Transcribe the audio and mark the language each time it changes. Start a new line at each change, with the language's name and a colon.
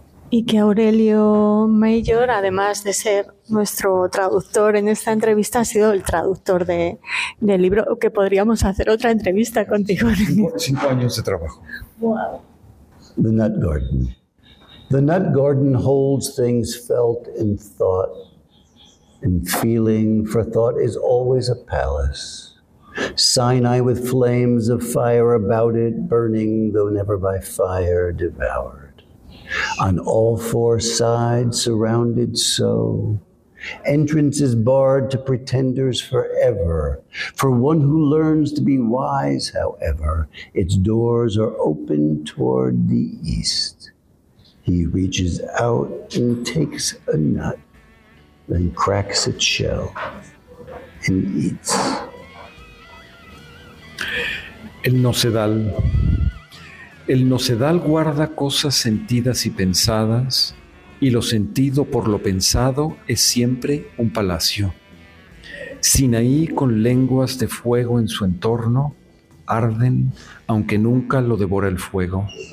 Spanish: Y que Aurelio Mayor, además de ser nuestro traductor en esta entrevista, ha sido el traductor del libro, que podríamos hacer otra entrevista contigo. Cinco años de trabajo.
English: Wow. The Nut Garden. The Nut Garden holds things felt in thought and feeling, for thought is always a palace. Sinai with flames of fire about it, burning, though never by fire devoured. On all four sides surrounded so, entrance is barred to pretenders forever. For one who learns to be wise, however, its doors are open toward the east. He reaches out and takes a nut, then cracks its shell and eats.
Spanish: El Nocedal. El nocedal guarda cosas sentidas y pensadas, y lo sentido por lo pensado es siempre un palacio. Sinaí con lenguas de fuego en su entorno, arden aunque nunca lo devora el fuego.